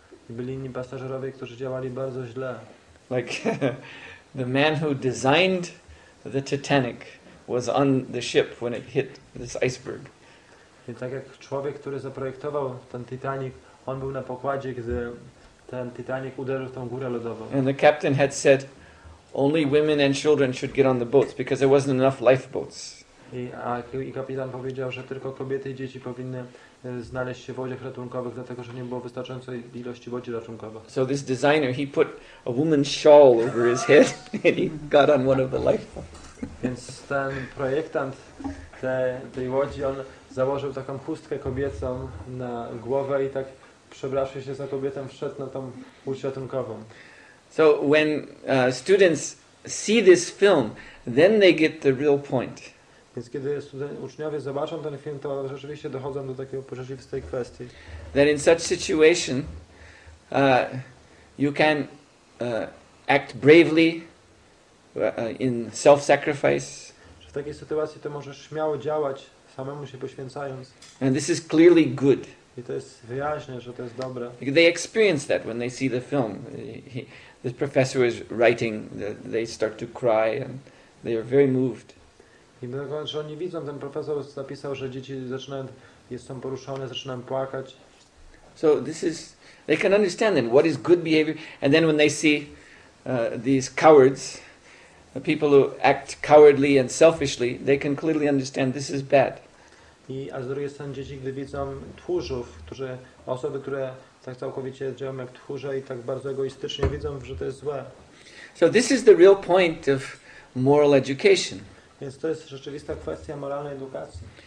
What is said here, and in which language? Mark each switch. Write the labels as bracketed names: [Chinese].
[Polish] I byli inni pasażerowie, którzy działali bardzo źle. [English] Like the man who designed the Titanic was on the ship when it hit this iceberg. [Polish] I tak jak człowiek, który zaprojektował ten Titanic, on był na pokładzie, gdy ten Titanic uderzył w tą górę lodową. [English] And the captain had said only women and children should get on the boats because there wasn't enough lifeboats. [Polish] I kapitan powiedział, że tylko kobiety i dzieci powinny znaleźć się w łodziach ratunkowych, dlatego że nie było wystarczającej ilości łodzi ratunkowych. [English] So this designer, he put a woman's shawl over his head and he got on one of the lifeboats. [Polish] Więc ten projektant tej łodzi, on założył taką chustkę kobiecą na głowę i tak przebrawszy się za kobietę, wszedł na tą łódź ratunkową. [English] So when students see this film, then they get the real point. [Polish] Więc kiedy uczniowie zobaczą ten film, to rzeczywiście dochodzą do takiego poruszenia w tej kwestii. [English] That in such situation, you can act bravely in self-sacrifice. [Polish] Że w takiej sytuacji to możesz śmiało działać, samemu się poświęcając. [English] And this is clearly good. [Polish] I to jest wyjaśnione, że to jest dobre. [English] They experience that when they see the film. The professor is writing, they start to cry and they are very moved. [Polish] I że oni widzą, ten profesor zapisał, że dzieci zaczynają, są poruszone, zaczynają płakać. [English] So this is, they can understand then what is good behavior, and then when they see these cowards, the people who act cowardly and selfishly, they can clearly understand this is bad. [Polish] I a z drugiej strony dzieci, gdy widzą tchórzów, którzy, osoby, które tak całkowicie działają jak tchórze i tak bardzo egoistycznie, widzą, że to jest złe. [English] So this is the real point of moral education. [Polish] Więc to jest rzeczywista kwestia moralnej edukacji.